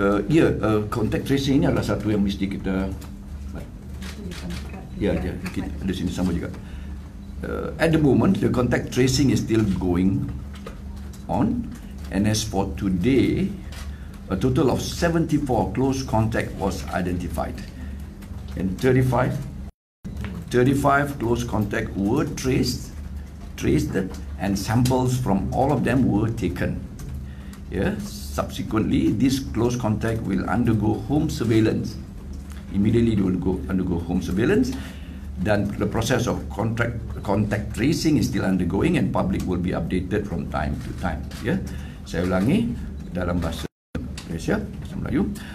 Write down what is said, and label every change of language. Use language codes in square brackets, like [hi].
[ms] Ya, contact tracing ini adalah satu yang mesti kita. Ya, yeah, yeah, kita ada sini sama juga. [en] At the moment, the contact tracing is still going on, and as for today, a total of 74 close contact was identified, and 35 close contact were traced, and samples from all of them were taken. Yeah. Subsequently, this close contact will undergo home surveillance. Immediately, they will undergo home surveillance, then the process of contact tracing is still undergoing, and public will be updated from time to time. Yeah. [ms] Saya ulangi dalam bahasa Malaysia, bahasa Melayu.